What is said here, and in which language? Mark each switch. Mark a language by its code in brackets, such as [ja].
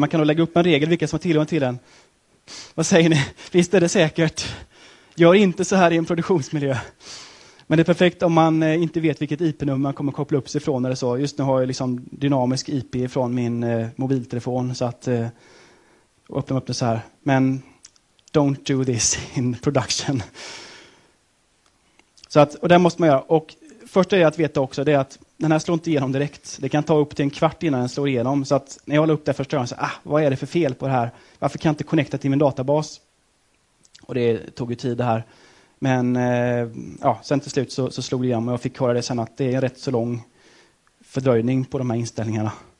[sv] Man kan då lägga upp en regel vilka som har tillgång till den. Vad säger ni? Visst är det säkert. Gör inte så här i en produktionsmiljö. Men det är perfekt om man inte vet vilket IP-nummer man kommer koppla upp sig från. Eller så. Just nu har jag liksom dynamisk IP från min mobiltelefon. Så att öppna upp det så här. Men [en] don't do this in production. [sv] Så att, och det måste man göra. Och första är att veta också det är att den här slår inte igenom direkt. Det kan ta upp till en kvart innan den slår igenom. Så att när jag håller upp det första gången så vad är det för fel på det här? Varför kan jag inte connecta till min databas? Och det tog ju tid det här. Men ja, sen till slut så slog det igenom. Och jag fick höra det sen att det är en rätt så lång fördröjning på de här inställningarna.